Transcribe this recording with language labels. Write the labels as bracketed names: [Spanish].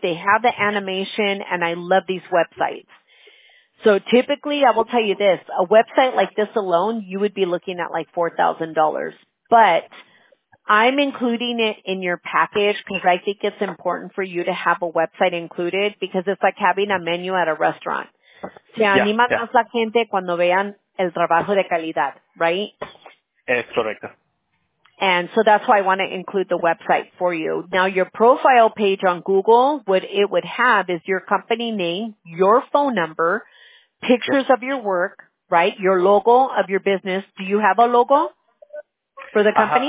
[English] They have the animation, and I love these websites. So typically, I will tell you this, a website like this alone, you would be looking at like $4,000. But I'm including it in your package because I think it's important for you to have a website included because it's like having a menu at a restaurant. [Spanish] Se anima más la gente cuando vean el trabajo de calidad, [English] right? [Spanish] Es correcto. [English] And so that's why I want to include the website for you. Now, your profile page on Google, what it would have is your company name, your phone number, pictures of your work, right? Your logo of your business. Do you have a logo for the company?